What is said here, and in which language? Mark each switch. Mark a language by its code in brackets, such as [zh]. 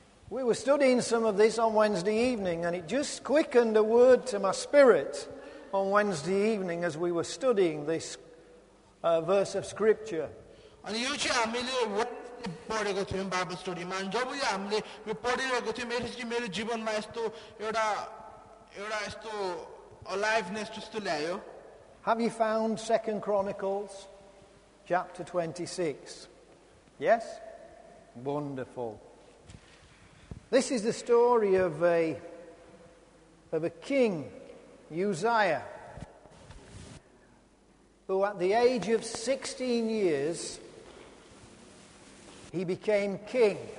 [en] We were studying some of this on Wednesday evening and it just quickened a word to my spirit on Wednesday evening as we were studying this verse of scripture. [ne] अनि यो चाहिँ हामीले पढेको थियौँ Bible स्टडीमा अनि जब यो हामीले यो पढिरहेको थियौँ मेरो जीवनमा यस्तो एउटा एउटा यस्तो अलाइभनेस जस्तो ल्यायो. [en] Have you found 2 Chronicles chapter 26? Yes? Wonderful. This is the story of a king, Uzziah, who at the age of 16 years, he became king.